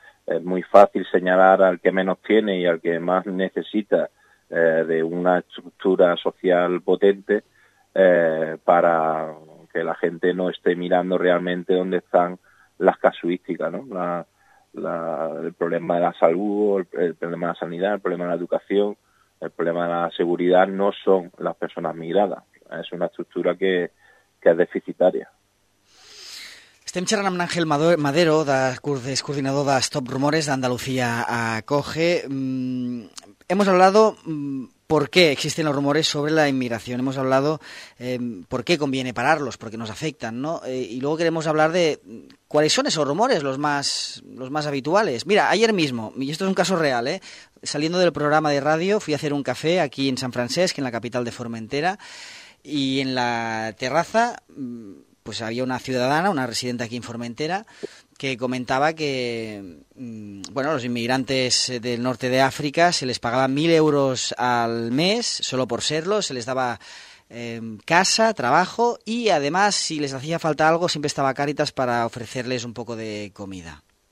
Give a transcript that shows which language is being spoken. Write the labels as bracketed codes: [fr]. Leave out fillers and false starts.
[es] Es muy fácil señalar al que menos tiene y al que más necesita de una estructura social potente para que la gente no esté mirando realmente dónde están las casuísticas, ¿no? El problema de la salud, el problema de la sanidad, el problema de la educación, el problema de la seguridad no son las personas migradas. Es una estructura que es deficitaria. [ca] Estem xerrant amb n'Àngel Madero, coordinador de Stop Rumores d'Andalucía Acoge. [es] Hemos hablado por qué existen los rumores sobre la inmigración. Hemos hablado por qué conviene pararlos, porque nos afectan, ¿no? Y luego queremos hablar de cuáles son esos rumores los más habituales. Mira, ayer mismo, y esto es un caso real, saliendo del programa de radio, fui a hacer un café aquí en San Francisco, en la capital de Formentera, y en la terraza pues había una ciudadana, una residente aquí en Formentera, que comentaba que, bueno, los inmigrantes del norte de África se les pagaba 1.000 euros al mes solo por serlo, se les daba casa, trabajo y además si les hacía falta algo siempre estaba Cáritas para ofrecerles un poco de comida.